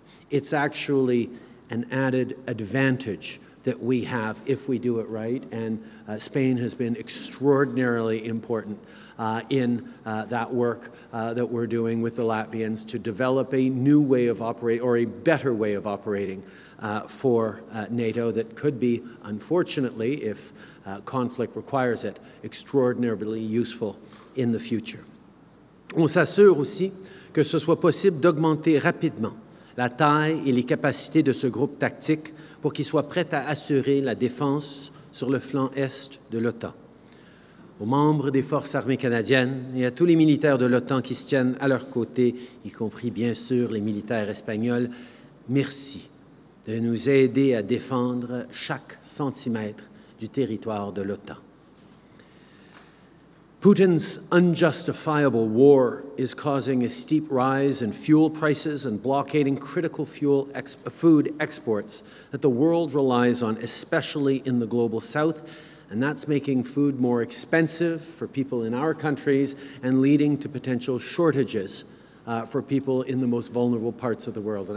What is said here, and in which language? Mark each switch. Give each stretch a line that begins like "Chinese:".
English: It's actually an added advantage that we have if we do it right, and Spain has been extraordinarily important in that work that we're doing with the Latvians to develop a new way of operating, or a better way of operating for NATO that could be, unfortunately, if conflict requires it, extraordinarily useful in the future.
French: On s'assure aussi que ce soit possible d'augmenter rapidement la taille et les capacités de ce groupe tactique pour qu'il soit prêt à assurer la défense sur le flanc est de l'OTAN. Aux membres des forces armées canadiennes et à tous les militaires de l'OTAN qui se tiennent à leur côté, y compris bien sûr les militaires espagnols, merci de nous aider à défendre chaque centimètre du territoire de l'OTAN.
English: Putin's unjustifiable war is causing a steep rise in fuel prices and blockading critical fuel food exports that the world relies on, especially in the global south, and that's making food more expensive for people in our countries and leading to potential shortages for people in the most vulnerable parts of the world.